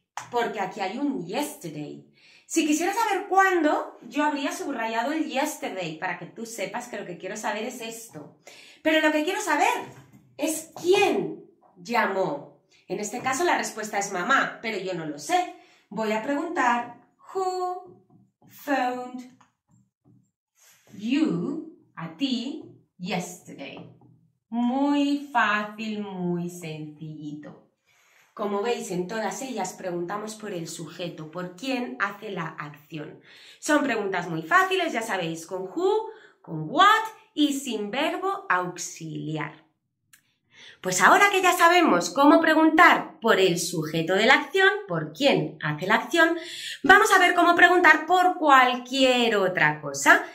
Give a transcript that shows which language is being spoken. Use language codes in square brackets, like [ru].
[es] Porque aquí hay un yesterday. Si quisiera saber cuándo, yo habría subrayado el yesterday para que tú sepas que lo que quiero saber es esto. Pero lo que quiero saber es quién llamó. En este caso la respuesta es mamá, pero yo no lo sé. Voy a preguntar, [en] who phoned you, [es] a ti, yesterday? Muy fácil, muy sencillito. Como veis, en todas ellas preguntamos por el sujeto, por quién hace la acción. Son preguntas muy fáciles, ya sabéis, con who, con what y sin verbo auxiliar. Pues ahora que ya sabemos cómo preguntar por el sujeto de la acción, por quién hace la acción, vamos a ver cómo preguntar por cualquier otra cosa.